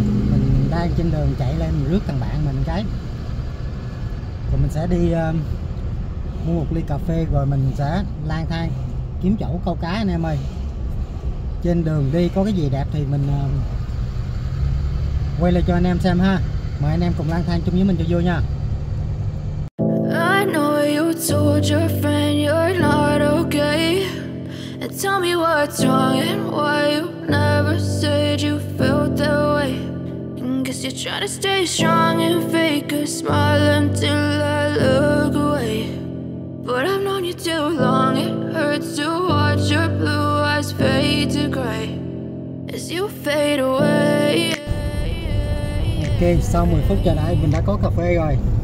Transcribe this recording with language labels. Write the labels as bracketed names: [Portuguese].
[Vietnamese] Mình đang trên đường chạy lên, mình rước thằng bạn mình cái. Rồi mình sẽ đi mua một ly cà phê rồi mình sẽ lang thang kiếm chỗ câu cá anh em ơi. Trên đường đi có cái gì đẹp thì mình quay lại cho anh em xem ha. Mời anh em cùng lang thang chung với mình cho vui nha. [English] I know you told your friend you're not okay, and tell me what's wrong and why you never said you felt that way. Guess you're trying to stay strong and fake a smile until I look away. But I've known you too long, it hurts to watch your blue eyes fade to gray as you fade away. [Vietnamese] Ok, sau 10 phút chờ đợi mình đã có cà phê rồi.